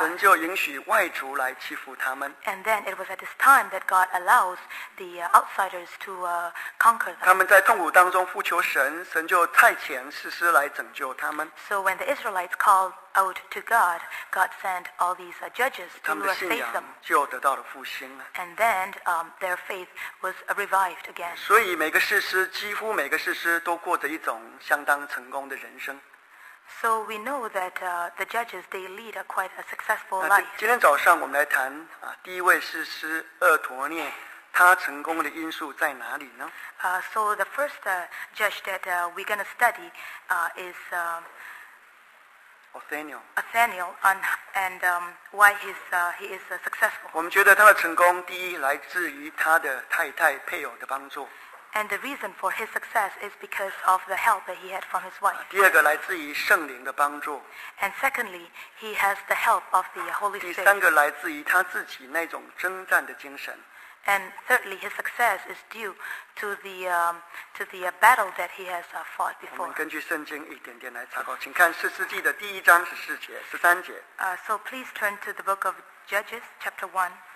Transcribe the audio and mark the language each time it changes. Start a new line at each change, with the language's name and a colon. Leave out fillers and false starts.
Chinese: 神就允许外族来欺负他们。
English: And then it was at this time that God allows the outsiders to conquer them.
Chinese: 他们在痛苦当中呼求神，神就差遣士师来拯救他们。
English: So when the Israelites called out to God, God sent all these judges to save them.
Chinese: 他们的信仰就得到了复兴了。
English: And then their faith was revived again.
Chinese: 所以每个士师，几乎每个士师都过着一种相当成功的人生。
English: So we know that the judges, they lead quite a successful life.
Chinese: 今天早上我们来谈第一位士师厄陀涅，他成功的因素在哪里呢？
English: So the first judge that we're going to study is Othniel. Othniel, and why he is successful.
Chinese: 我们觉得他的成功第一来自于他的太太配偶的帮助。
English: And the reason for his success is because of the help that he had from his wife.
Chinese: 第二个来自于圣灵的帮助。
English: And secondly, he has the help of the Holy Spirit.
Chinese: 第三个来自于他自己那种征战的精神。
English: And thirdly, his success is due to the battle that he has fought before.
Chinese: 我们根据圣经一点点来查考，请看四世纪的第一章十四节、十三节。
English: So please turn to the book of Judges, chapter 1.